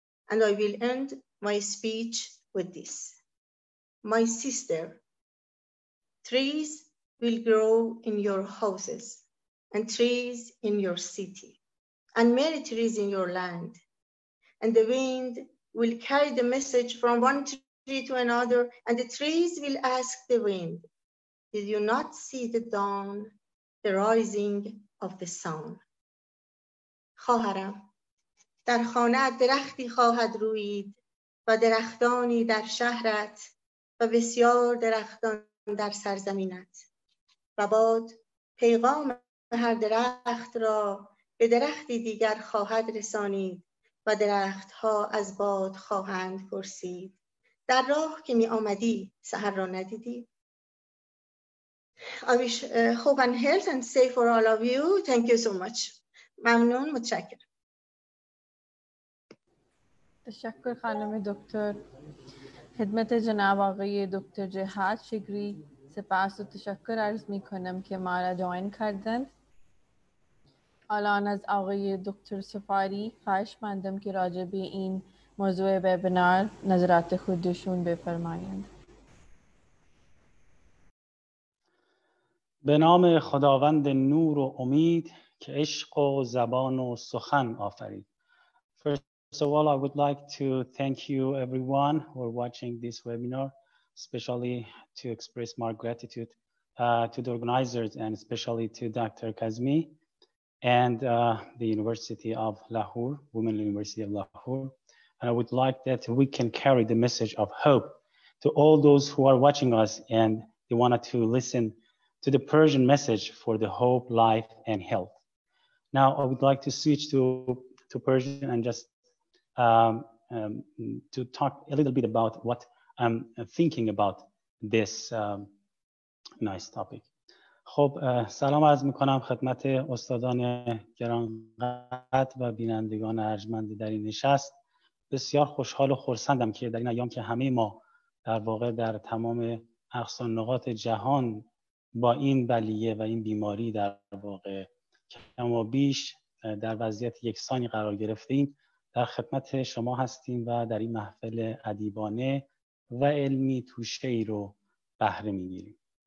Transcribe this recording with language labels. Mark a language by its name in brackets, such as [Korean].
[English] And I will end my speech with this. My sister, trees will grow in your houses and trees in your city and many trees in your land. And the wind will carry the message from one tree to another and the trees will ask the wind, did you not see the dawn, the rising of the sun? [Persian] خواهرم، در خانه‌ات درختی خواهد روید و درختانی در شهرت و بسیار درختان در سرزمینت و بعد پیغام هر درخت را به درختی دیگر خواهد رسانید و درخت ها از باد خواهند پرسید در راه که می آمدی سحر را ندیدی. [English] I wish hope and health and safe for all of you. Thank you so much. [Persian] ممنون، متشکر. تشکر خانم دکتر. خدمت جناب آقای دکتر جهاد شگری سپاس و تشکر عرض می کنم که ما را جوین کردند. الان از آقای دکتر سفاری خواهش مندم که راجع به این موضوع وبینار نظرات خودشون بفرمایند. به نام خداوند نور و امید که عشق و زبان و سخن آفرید. [English] First of all, I would like to thank you everyone who are watching this webinar, especially to express my gratitude to the organizers and especially to Dr. Kazmi and the University of Lahore, Women University of Lahore. And I would like that we can carry the message of hope to all those who are watching us and they wanted to listen to the Persian message for the hope, life, and health. Now, I would like to switch to Persian and just to talk a little bit about what I'm thinking about this nice topic. [Persian] خب سلام عرض میکنم خدمت استادان گرانقدر و بینندگان ارجمند در این نشست. بسیار خوشحال و خرسندم که در این ایام که همه ما در واقع در تمام اقصا نقاط جهان با این بلیه و این بیماری در واقع کم و بیش در وضعیت یکسانی قرار گرفتیم، در خدمت شما هستیم و در این محفل ادیبانه و علمی توشه‌ای رو بهره می‌گیریم.